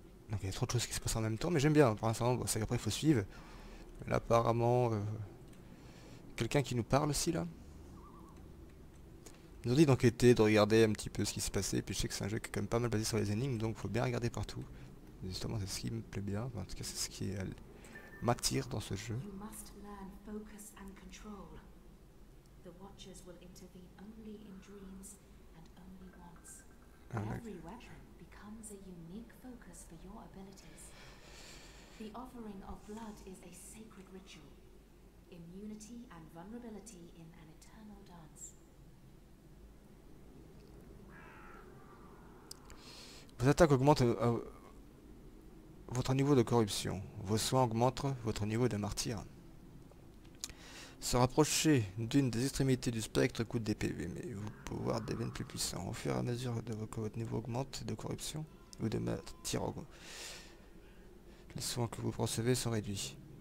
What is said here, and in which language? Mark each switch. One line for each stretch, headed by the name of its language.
French: Donc il y a trop de choses qui se passent en même temps, mais j'aime bien, pour l'instant, bon, c'est qu'après il faut suivre. Là apparemment, quelqu'un qui nous parle aussi là. Ils nous ont dit d'enquêter, de regarder un petit peu ce qui se passait, puis je sais que c'est un jeu qui est quand même pas mal basé sur les énigmes, donc faut bien regarder partout. Justement c'est ce qui me plaît bien, enfin, en tout cas c'est ce qui m'attire dans ce jeu.
English: Focus and control. The Watchers will intervene only in dreams and only once. Every weapon becomes a unique focus for your abilities. The offering of blood is a sacred ritual. Immunity and vulnerability in an eternal dance.
French: Vos attaques augmentent votre niveau de corruption. Vos soins augmentent votre niveau de martyr. Se rapprocher d'une des extrémités du spectre coûte des PV, mais vos pouvoirs deviennent plus puissants. Au fur et à mesure que votre niveau augmente de corruption, ou de matière augmente, les soins que vous recevez sont réduits.